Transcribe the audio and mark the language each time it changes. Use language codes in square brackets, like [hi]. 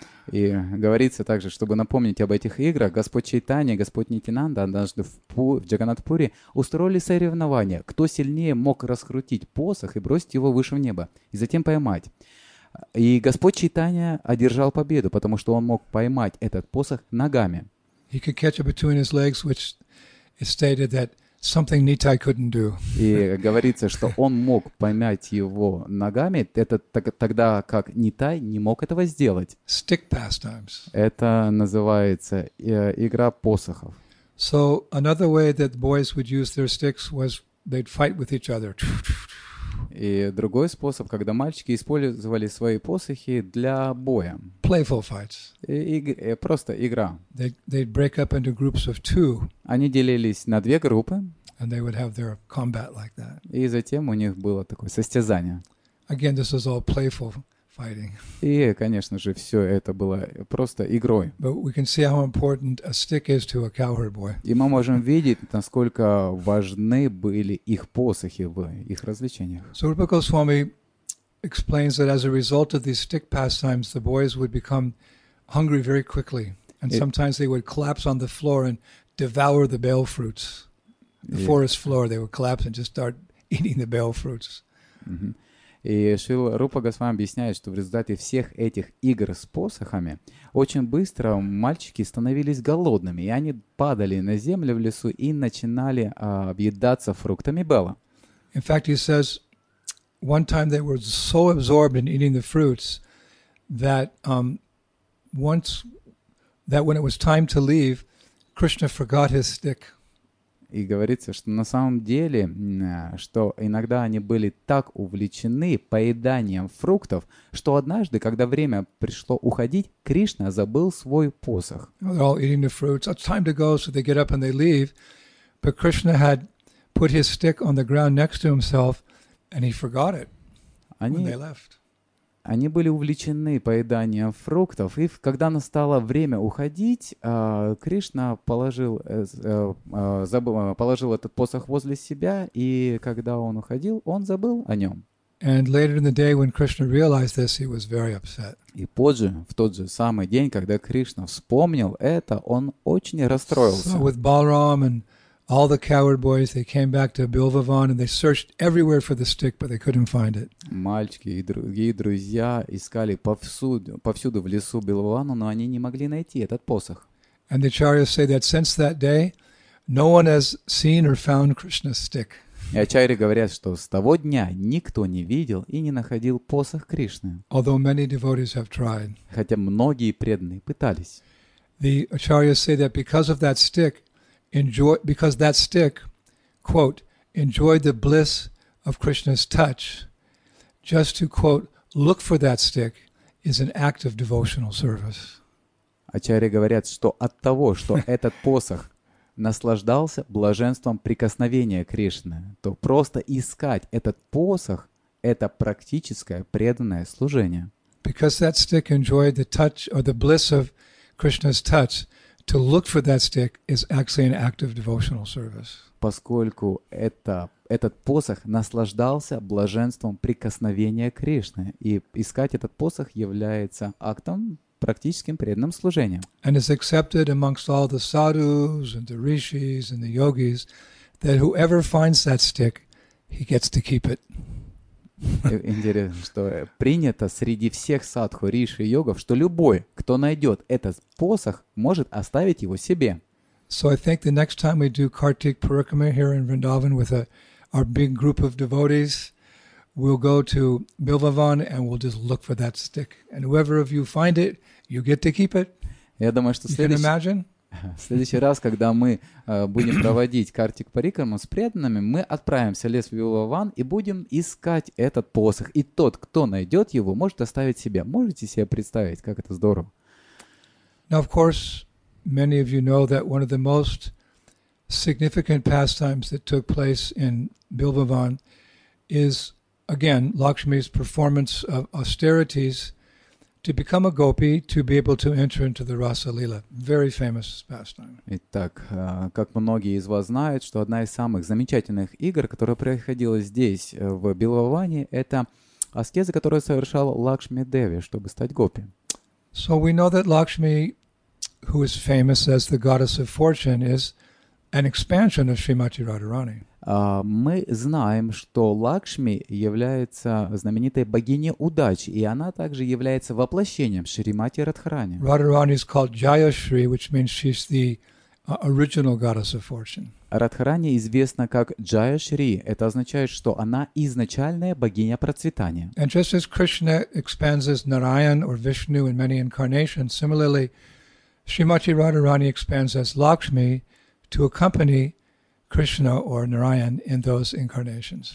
[ru] И говорится также, чтобы напомнить об этих играх, Господь Чайтанья, Господь Нитинанда однажды в Джаганатпуре устроили соревнование, кто сильнее мог раскрутить посох и бросить его выше в небо, и затем поймать. И Господь Чайтанья одержал победу, потому что он мог поймать этот посох ногами. [en] He could catch it between his legs, which is stated that something Nitai couldn't do. [ru] И говорится, что он мог поймать его ногами, это тогда как Нитай не мог этого сделать. [en] Stick pastimes. [ru] Это называется игра посохов. [en] So another way that boys would use their sticks was they'd fight with each other. [ru] И другой способ, когда мальчики использовали свои посохи для боя. [en] Playful fights. [ru] Просто игра. [en] They'd break up into groups of two. [ru] Они делились на две группы. [en] And they would have their combat like that. [ru] И затем у них было такое состязание. [en] Again, this was all playful fighting. [ru] И, конечно же, все это было просто игрой. [en] But we can see how important a stick is to a cowherd boy. [ru] И мы можем видеть, насколько важны были их посохи в их развлечениях. [en] So Rupa Goswami explains that as a result of these stick pastimes, the boys would become hungry very quickly, and sometimes they would collapse on the floor and devour the bell fruits. The forest floor, they would collapse and just start eating the bell fruits. [ru] И Шрила Рупа Госвами объясняет, что в результате всех этих игр с посохами очень быстро мальчики становились голодными, и они падали на землю в лесу и начинали объедаться фруктами Белла. [en] In fact, he says, one time they were so absorbed in eating the fruits that when it was time to leave, Krishna forgot his stick. [ru] И говорится, что на самом деле, что иногда они были так увлечены поеданием фруктов, что однажды, когда время пришло уходить, Кришна забыл свой посох. [en] They're all eating the fruits. It's time to go, so they get up and they leave. But Krishna had put his stick on the ground next to himself, and he forgot it when they left. [ru] Они были увлечены поеданием фруктов, и когда настало время уходить, Кришна положил этот посох возле себя, и когда он уходил, он забыл о нем. [en] And later in the day, when Krishna realized this, he was very upset. [ru] И позже, в тот же самый день, когда Кришна вспомнил это, он очень расстроился. [en] So with Balram and all the coward boys, they came back to Bilvavan and they searched everywhere for the stick, but they couldn't find it. [ru] Мальчики и другие друзья искали повсюду в лесу Бильвавана, но они не могли найти этот посох. [en] And the acharyas say that since that day, no one has seen or found Krishna's stick. [ru] И ачарьи говорят, что с того дня никто не видел и не находил посох Кришны. [en] Although many devotees have tried. [ru] Хотя многие преданные пытались. [en] The acharyas say that because of that stick, because that stick, quote, enjoyed the bliss of Krishna's touch, just to, quote, look for that stick is an act of devotional service. [ru] Ачарьи говорят, что от того, что этот посох наслаждался блаженством прикосновения Кришны, то просто искать этот посох — это практическое преданное служение. [en] Because that stick enjoyed the touch or the bliss of Krishna's touch, to look for that stick is actually an act of devotional service. [ru] Поскольку этот посох наслаждался блаженством прикосновения Кришны, и искать этот посох является актом практическим преданным служением. [en] And it's accepted amongst all the sadhus and the rishis and the yogis that whoever finds that stick, he gets to keep it. [ru] Интересно, что принято среди всех садху, риши и йогов, что любой, кто найдет этот посох, может оставить его себе. [en] So I think the next time we do Kartik Parikrama here in Vrindavan with our big group of devotees, we'll go to Bilvavan and we'll just look for that stick. And whoever of you find it, you get to keep it. [ru] Я думаю, что в следующий раз, когда мы будем проводить Картик Парикраму с преданными, мы отправимся в лес Вилаван и будем искать этот посох. И тот, кто найдет его, может оставить себе. Можете себе представить, как это здорово? [en] Now, of course, many of you know that one of the most significant pastimes that took place in Bilvavan is, again, Lakshmi's performance of austerities to become a gopi, to be able to enter into the Rasa Lila. Very famous pastime. [ru] Итак, как многие из вас знают, что одна из самых замечательных игр, которая проходила здесь, в Бильваване, это аскеза, которую совершал Лакшми Деви, чтобы стать гопи. [en] So we know that Lakshmi, who is famous as the goddess of fortune, is an expansion of Srimati Radharani. [ru] Мы знаем, что Лакшми является знаменитой богиней удачи, и она также является воплощением Шримати Радхарани. [en] Радхарани is called Jayashri, which means she's the original goddess of fortune. [ru] Радхарани известна как Джаяшри. Это означает, что она изначальная богиня процветания. [en] And just as Krishna expands as Narayan or Vishnu in many incarnations, similarly, Srimati Radharani expands as Lakshmi to accompany Krishna or Narayan in those incarnations.